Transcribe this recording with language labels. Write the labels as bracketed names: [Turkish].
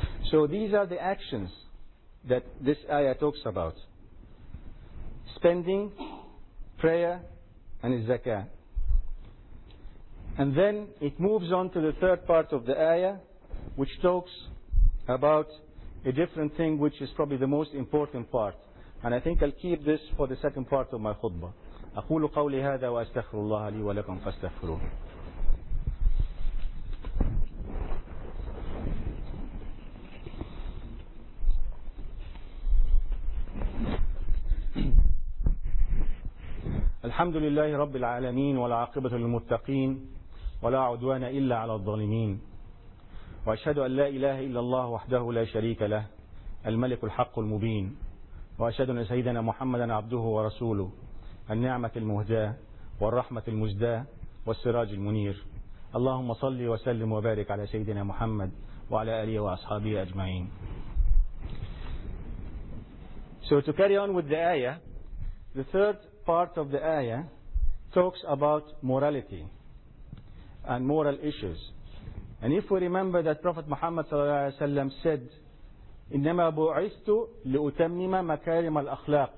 [English] So these are the actions that this ayah talks about: spending, prayer, and zakah. And then it moves on to the third part of the ayah, which talks about a different thing, which is probably the most important part. And I think I'll keep this for the second part of my khutbah. [Arabic] أقول قولي هذا وأستغفر الله لي ولكم فاستغفروه. الحمد لله رب العالمين والعاقبة للمتقين ولا عدوان إلا على الظالمين وأشهد أن لا إله إلا الله وحده لا شريك له الملك الحق المبين وأشهد أن سيدنا محمدا عبده ورسوله النعمة المهداة والرحمة المزداة والسراج المنير اللهم صل وسلم وبارك على سيدنا محمد وعلى آله وأصحابه أجمعين. [English] So to carry on with the ayah, the third part of the ayah talks about morality and moral issues. And if we remember that Prophet Muhammad sallallahu alaihi wasallam said, [Arabic] إِنَّمَا بُعِثْتُ لِأُتَمِّمَ مَكَارِمَ الْأَخْلَاقِ.